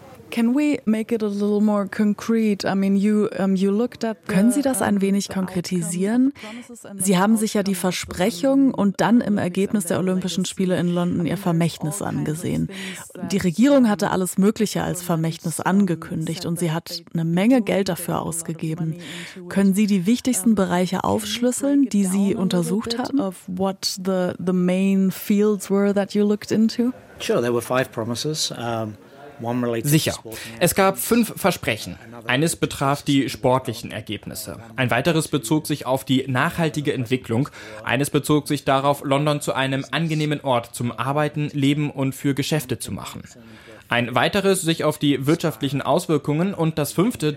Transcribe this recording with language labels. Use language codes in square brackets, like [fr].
[en] Can we make it a little more concrete? I mean, you looked at. [de] Können Sie das ein wenig konkretisieren? Sie haben sich ja die Versprechung und dann im Ergebnis der Olympischen Spiele in London Ihr Vermächtnis angesehen. Die Regierung hatte alles Mögliche als Vermächtnis angekündigt und sie hat eine Menge Geld dafür ausgegeben. Können Sie die wichtigsten Bereiche aufschlüsseln, die Sie untersucht haben? [en] Of what the main fields were that you looked into? Sure, there were five promises. [de] Sicher. Es gab 5 Versprechen. Eines betraf die sportlichen Ergebnisse. Ein weiteres bezog sich auf die nachhaltige Entwicklung. Eines bezog sich darauf, London zu einem angenehmen Ort zum Arbeiten, Leben und für Geschäfte zu machen. Ein weiteres sich auf die wirtschaftlichen Auswirkungen und das 5.